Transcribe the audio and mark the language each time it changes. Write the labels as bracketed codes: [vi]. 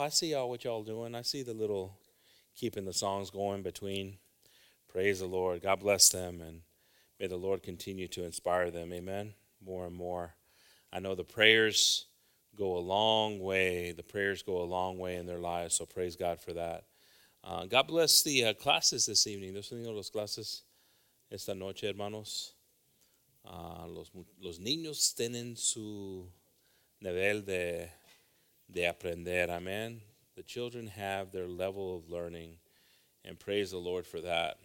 [en] I see y'all, what y'all doing. I see the little keeping the songs going between. Praise the Lord. God bless them, and may the Lord continue to inspire them, amen, more and more. I know the prayers go a long way. The prayers go a long way in their lives, so praise God for that. God bless the classes this evening. [es] ¿Los niños los clases esta noche, hermanos? Los niños tienen su nivel de aprender, amen. [en] The children have their level of learning, and praise the Lord for that.